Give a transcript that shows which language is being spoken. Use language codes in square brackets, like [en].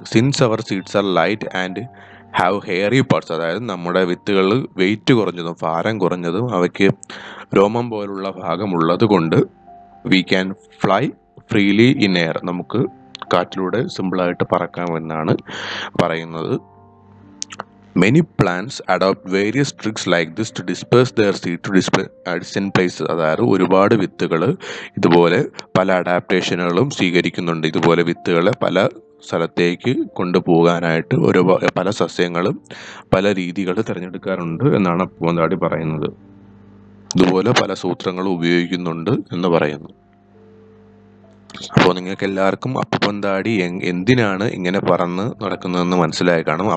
[en] since our seeds are light and have hairy parts, [ml] അതായത് നമ്മുടെ വിത്തുകൾ വെയിറ്റ് കുറഞ്ഞതും ഭാരം കുറഞ്ഞതും അവയ്ക്ക് രോമം പോലുള്ള ഭാഗമുള്ളത് കൊണ്ട് [en] we can fly freely in air, [ml] നമുക്ക് കാറ്റിലൂടെ സിമ്പിളായിട്ട് പറക്കാമെന്നാണ് പറയുന്നത്. [en] Many plants adopt various tricks like this to disperse their seed to dispersion places. [ml] അതായത് ഒരുപാട് വിത്തുകൾ ഇതുപോലെ പല അഡാപ്റ്റേഷനുകളും സ്വീകരിക്കുന്നുണ്ട്. ഇതുപോലെ വിത്തുകളെ പല സ്ഥലത്തേക്ക് കൊണ്ടുപോകാനായിട്ട് പല സസ്യങ്ങളും പല രീതികൾ തിരഞ്ഞെടുക്കാറുണ്ട് എന്നാണ് പൂന്താടി പറയുന്നത്. ഇതുപോലെ പല സൂത്രങ്ങളും ഉപയോഗിക്കുന്നുണ്ട് എന്ന് പറയുന്നു. അപ്പോൾ നിങ്ങൾക്ക് എല്ലാവർക്കും അപ്പപ്പന്താടി എന്തിനാണ് ഇങ്ങനെ പറന്ന് നടക്കുന്നതെന്ന് മനസ്സിലായി കാണും.